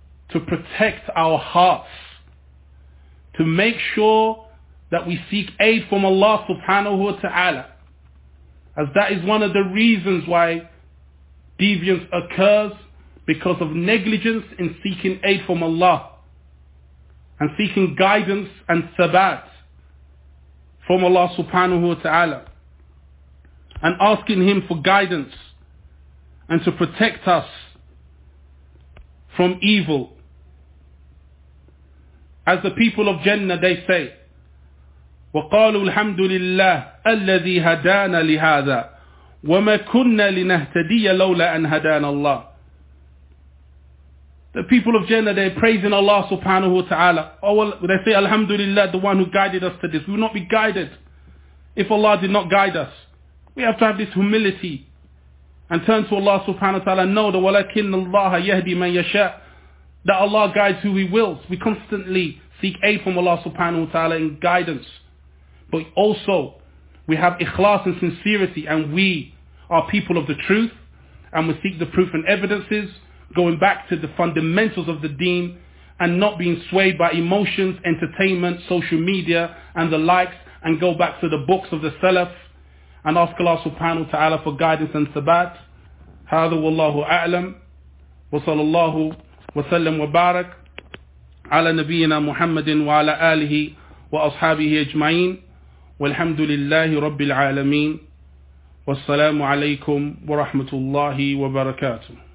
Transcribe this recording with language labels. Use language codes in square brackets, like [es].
[en] to protect our hearts, to make sure that we seek aid from Allah subhanahu wa ta'ala, as that is one of the reasons why deviance occurs, because of negligence in seeking aid from Allah and seeking guidance and sabat from Allah subhanahu wa ta'ala and asking Him for guidance and to protect us from evil. As the people of Jannah, they say, [ar] وَقَالُوا الْحَمْدُ لِلَّهِ الَّذِي هَدَانَ لِهَذَا وَمَا كُنَّا لِنَهْتَدِيَ لَوْلَا أَنْ هَدَانَ اللَّهِ. [en] The people of Jannah, they're praising Allah subhanahu wa ta'ala. They say, Alhamdulillah, the one who guided us to this. We will not be guided if Allah did not guide us. We have to have this humility and turn to Allah subhanahu wa ta'ala and know that [ar] وَلَكِنَّ اللَّهَ يَهْدِي مَنْ يَشَاءُ. [en] That Allah guides who He wills. We constantly seek aid from Allah subhanahu wa ta'ala in guidance. But also, we have ikhlas and sincerity, and we are people of the truth, and we seek the proof and evidences, going back to the fundamentals of the deen, and not being swayed by emotions, entertainment, social media, and the likes, and go back to the books of the salaf, and ask Allah subhanahu wa ta'ala for guidance and sabat. [ar] هذا والله أعلم وصلى الله وسلم وبارك على نبينا محمد وعلى آله وأصحابه أجمعين والحمد لله رب العالمين والسلام عليكم ورحمة الله وبركاته.